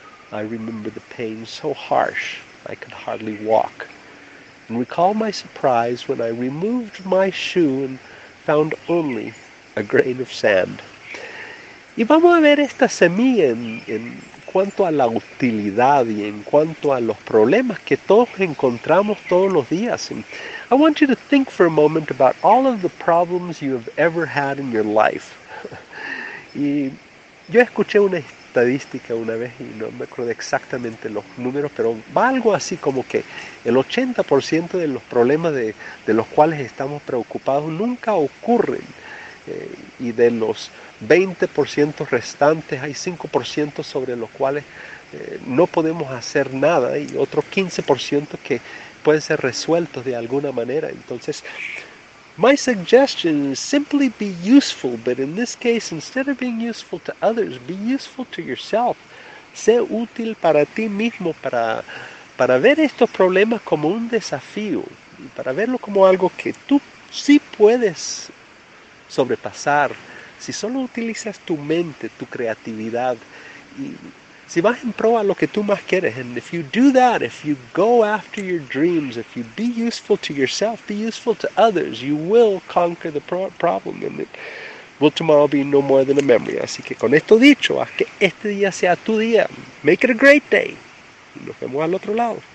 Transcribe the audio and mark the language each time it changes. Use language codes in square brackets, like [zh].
[en] I remember the pain so harsh I could hardly walk, and recall my surprise when I removed my shoe and found only a grain of sand. [es] Y vamos a ver esta semilla en cuanto a la utilidad y en cuanto a los problemas que todos encontramos todos los días. [en] And I want you to think for a moment about all of the problems you have ever had in your life. [es] Y yo escuché una estadística una vez y no me acuerdo exactamente los números, pero va algo así como que el 80% de los problemas de los cuales estamos preocupados nunca ocurren. Y de los 20% restantes hay 5% sobre los cuales no podemos hacer nada y otros 15% que pueden ser resueltos de alguna manera. Entonces, [en] my suggestion is simply be useful, but in this case, instead of being useful to others, be useful to yourself. [es] Sé útil para ti mismo, para ver estos problemas como un desafío, y para verlo como algo que tú sí puedes sobrepasar, si solo utilizas tu mente, tu creatividad, y si vas en pro a lo que tú más quieres. [en] And if you do that, if you go after your dreams, if you be useful to yourself, be useful to others, you will conquer the problem, and it will tomorrow be no more than a memory. [es] Así que con esto dicho, haz que este día sea tu día. [en] Make it a great day. [es] Y nos vemos al otro lado.